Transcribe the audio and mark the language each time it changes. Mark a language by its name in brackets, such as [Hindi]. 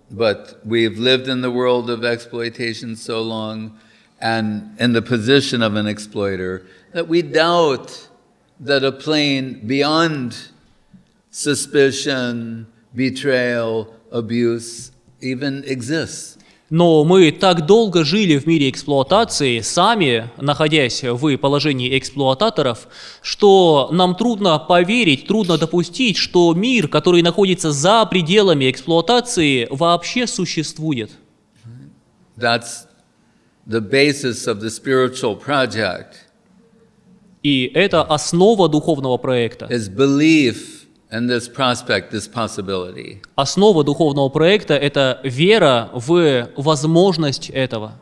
[English] But we've lived in the world of exploitation so long and in the position of an exploiter that we doubt that a plane beyond suspicion, betrayal, abuse even exists. [Russian] Но мы так долго жили в мире эксплуатации, сами находясь в положении эксплуататоров, что нам трудно поверить, трудно допустить, что мир, который находится за пределами эксплуатации, вообще существует. [English] That's the basis of the spiritual project. [Russian] И это основа духовного проекта. [English] Is belief. And this prospect, this possibility. [Russian] Основа духовного проекта – это вера в возможность этого.